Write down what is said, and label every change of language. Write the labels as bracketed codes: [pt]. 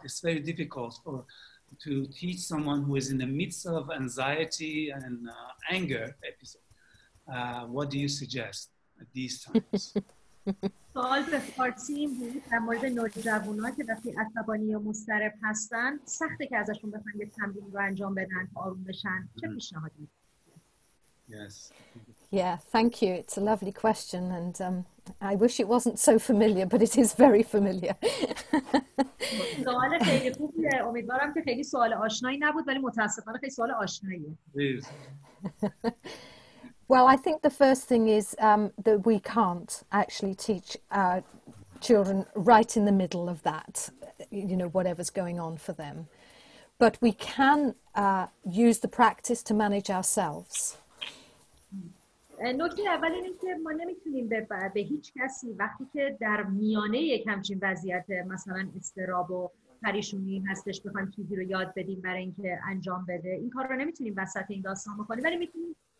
[en] It's very difficult to teach someone who is in the midst of anxiety and anger episode. What do you suggest at these times? [fa] سوال به فارسی این بود در مورد نوجوان‌ها که وقتی عصبانی و مضطرب هستن سخته که ازشون بخوان یه تمرین رو انجام بدن تا آروم بشن. چه پیشنهادی؟ [en] Yes. Yeah, thank you. It's a lovely question, and I wish it wasn't so familiar, but it is very familiar. [fa] سوال خیلی خوبیه. امیدوارم که خیلی سوال آشنایی نبود، ولی متاسفانه خیلی سوال آشناییه. [en] Well, I think the first thing is that we can't actually teach our children right in the middle of that, you know, whatever's going on for them. But we can use the practice to manage ourselves. [fa] نکته اول اینه که ما نمیتونیم به هیچ کسی وقتی که در میانه یک همچین وضعیت مثلا اضطراب و پریشونی هستش بخوایم چیزی رو یاد بدیم برای اینکه انجام بده. این کار رو نمیتونیم وسط این داستان بکنیم، ولی میتونیم